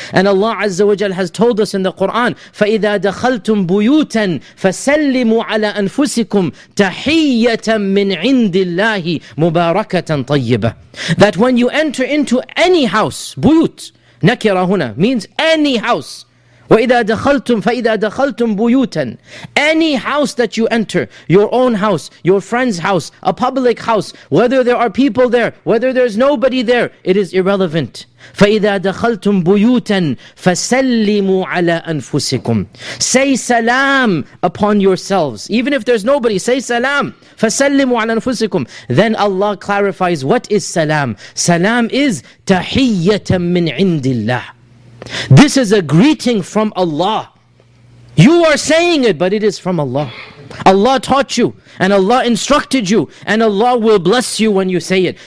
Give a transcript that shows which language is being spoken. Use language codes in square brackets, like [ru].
[en] And Allah Azza wa Jal has told us in the Quran, [ar] فَإِذَا دَخَلْتُم بُيُوتًا فَسَلِّمُوا عَلَىٰ أَنفُسِكُمْ تَحِيَّةً مِنْ عِنْدِ اللَّهِ مُبَارَكَةً طَيِّبَةً [en] That when you enter into any house, buyut, nakira huna, means any house. [ar] فَإِذَا دَخَلْتُمْ بُيُوتًا [en] Any house that you enter, your own house, your friend's house, a public house, whether there are people there, whether there's nobody there, it is irrelevant. [ar] فَإِذَا دَخَلْتُمْ بُيُوتًا فَسَلِّمُوا عَلَىٰ أَنفُسِكُمْ [en] Say salam upon yourselves. Even if there's nobody, say salam. [ar] فَسَلِّمُوا عَلَىٰ أَنفُسِكُمْ [en] Then Allah clarifies, what is salam? Salam is [ar] تَحِيَّةً مِّنْ عِنْدِ اللَّهِ [en] This is a greeting from Allah. You are saying it, but it is from Allah. Allah taught you, and Allah instructed you, and Allah will bless you when you say it.